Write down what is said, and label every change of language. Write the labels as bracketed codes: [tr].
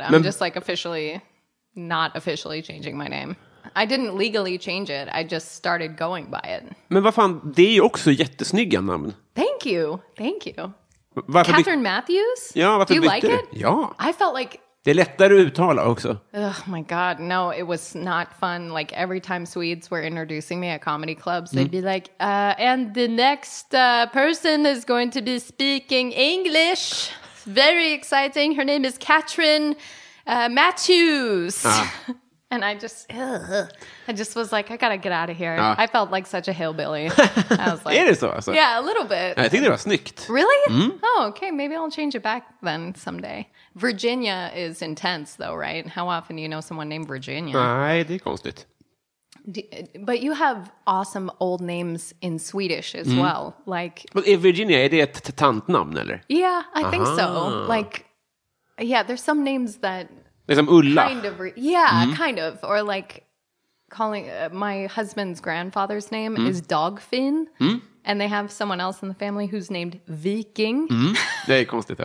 [en] I'm just like officially, not officially changing my name. I didn't legally change it. I just started going by it. [sv] Men vad fan, det är ju också jättesnygga namn. [en] Thank you. Thank you. [sv] Varför Catherine Matthews? Ja, varför bytte [en] du? Do you like it? [sv] Ja. [en] I felt like... [sv] Det är lättare att uttala också. [en] Oh my god, no, it was not fun. Like every time Swedes were introducing me at comedy clubs, they'd be like, and the next person is going to be speaking English. Very exciting. Her name is Catherine Matthews. And I just was like, I gotta get out of here. I felt like such a hillbilly. I was like, [sv] är det så? [en] Yeah, a little bit. I think it was snyggt. Really? Oh, okay. Maybe I'll change it back then someday. Virginia is intense, though, right? How often do you know someone named Virginia? [sv] Nej, det är konstigt. [en] But you have awesome old names in Swedish as well. Like, but is [sv] Virginia, är det ett tantnamn, eller? [en] Yeah, I think so. Like, yeah, there's some names that... [sv] Det är som Ulla. [en] Kind of, kind of. Or like calling my husband's grandfather's name is Dogfin. And they have someone else in the family who's named Viking. [sv] Det är konstigt, ja.